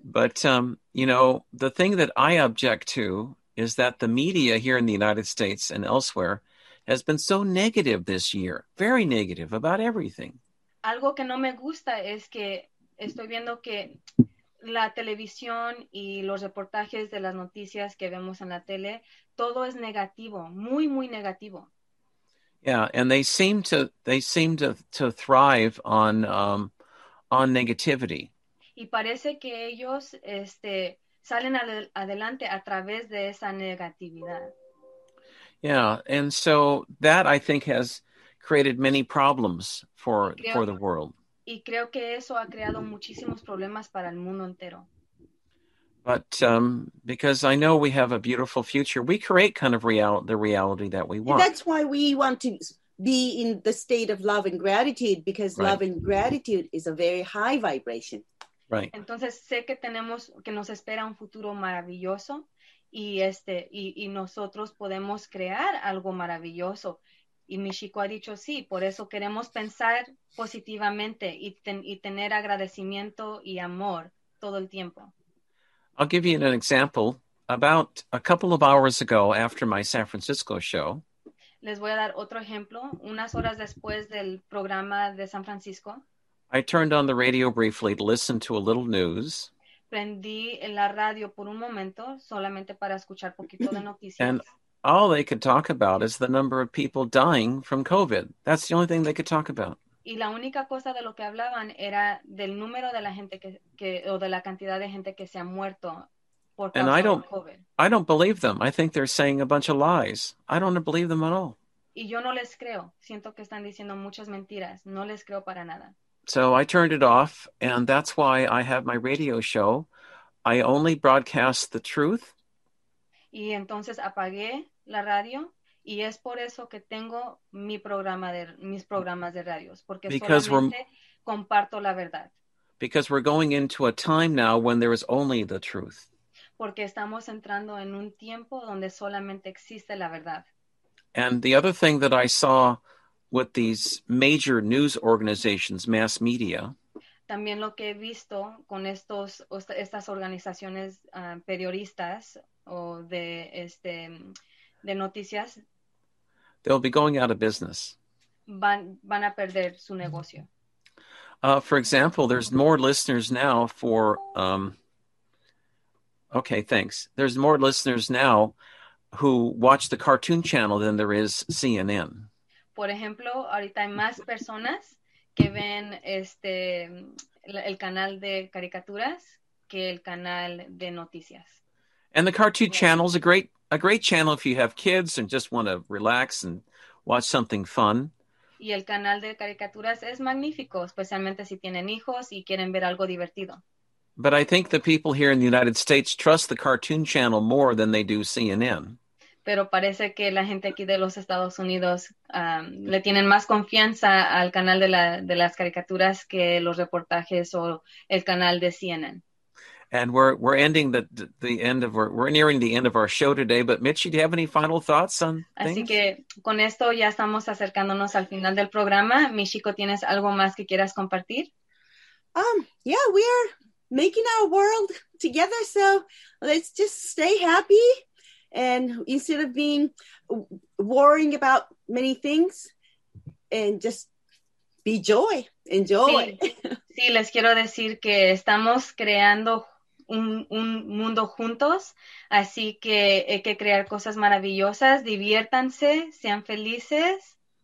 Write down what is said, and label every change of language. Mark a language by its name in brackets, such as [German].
[English] But, you know, the thing that I object to is that the media here in the United States and elsewhere has been so negative this year, very negative about everything. [Spanish] Algo que no me gusta es que estoy viendo que la televisión y los reportajes de las noticias que vemos en la tele, todo es negativo, muy, muy negativo. [English] Yeah, and they seem to thrive on negativity. [Spanish] Y parece que ellos salen adelante a través de esa negatividad. [English] Yeah, and so that I think has created many problems for the world. [Spanish] Y creo que eso ha creado muchísimos problemas para el mundo entero. [English] But because I know we have a beautiful future, we create kind of the reality that we want. That's why we want to be in the state of love and gratitude, because right. Love and gratitude is a very high vibration. Right. [Spanish] Entonces sé que tenemos que nos espera un futuro maravilloso. Y y nosotros podemos crear algo maravilloso. Y Michiko ha dicho sí, por eso queremos pensar positivamente y tener agradecimiento y amor todo el tiempo. [English] I'll give you an example. About a couple of hours ago after my San Francisco show. [Spanish] Les voy a dar otro ejemplo. Unas horas después del programa de San Francisco. [English] I turned on the radio briefly to listen to a little news. [Spanish] Prendí la radio por un momento, solamente para escuchar poquito de noticias. [English] And all they could talk about is the number of people dying from COVID. That's the only thing they could talk about. [Spanish] Y la única cosa de lo que hablaban era del número de la gente que o de la cantidad de gente que se ha muerto por causa de COVID. [English] And I don't believe them. I think they're saying a bunch of lies. I don't believe them at all. [Spanish] Y yo no les creo. Siento que están diciendo muchas mentiras. No les creo para nada. [English] So I turned it off, and that's why I have my radio show. I only broadcast the truth. [Spanish] Y entonces apagué la radio, y es por eso que tengo mis programas de radios, porque [English] because [Spanish] solamente comparto la verdad. [English] Because we're going into a time now when there is only the truth. [Spanish] Porque estamos entrando en un tiempo donde solamente existe la verdad. [English] And the other thing that I saw with these major news organizations, mass media. [Spanish] También lo que he visto con estas organizaciones periodistas o de este de noticias. [English] They'll be going out of business. [Spanish] Van a perder su negocio. [English] For example, there's more listeners now for okay, thanks. There's more listeners now who watch the cartoon channel than there is CNN. [Spanish] Por ejemplo, ahorita hay más personas que ven este el canal de caricaturas que el canal de noticias. [English] And the cartoon channel is a great channel if you have kids and just want to relax and watch something fun. [Spanish] Y el canal de caricaturas es magnífico, especialmente si tienen hijos y quieren ver algo divertido. [English] But I think the people here in the United States trust the cartoon channel more than they do CNN. [Spanish] Pero parece que la gente aquí de los Estados Unidos le tienen más confianza al canal de las caricaturas que los reportajes o el canal de CNN. [English] And we're ending nearing the end of our show today. But Mitchy, do you have any final thoughts on things? [Spanish] Así que con esto ya estamos acercándonos al final del programa. Michiko, ¿tienes algo más que quieras compartir? [English] Yeah, we are making our world together. So let's just stay happy. And instead of being worrying about many things, and just be joy, enjoy. [Spanish] Sí, les quiero decir que estamos creando un mundo juntos, así que hay que crear cosas maravillosas, diviértanse, sean felices.